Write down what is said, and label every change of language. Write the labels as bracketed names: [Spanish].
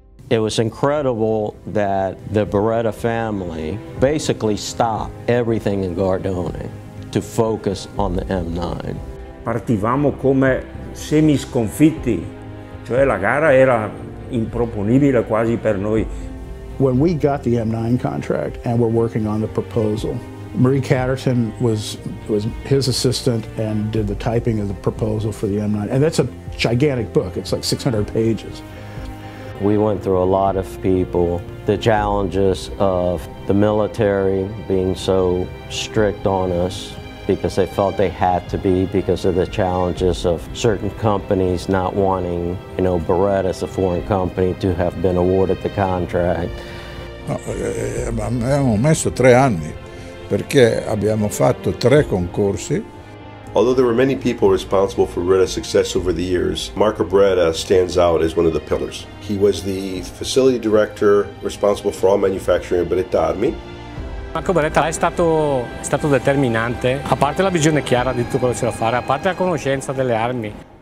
[English] It was incredible that the Beretta family basically stopped everything in Gardone to focus on the M9. [Italian] Partivamo come semi sconfitti, cioè la gara era improponibile quasi per noi. [English] When we got the M9 contract and were working on the proposal, Marie Catterton was his assistant and did the typing of the proposal for the M9. And that's a gigantic book, it's like 600 pages. We went through a lot of people, the challenges of the military being so strict on us because they felt they had to be because of the challenges of certain companies not wanting, you know, Beretta as a foreign company to have been awarded the contract. [Italian] Abbiamo messo 3 anni perché abbiamo fatto 3 concorsi. [English] Although there were many people responsible for Beretta's success over the years, Marco Beretta stands out as one of the pillars. He was the facility director responsible for all manufacturing of Beretta Armi. [Italian] Marco Beretta è stato determinante, a parte la visione chiara di tutto quello che c'era da fare, a parte la conoscenza delle armi.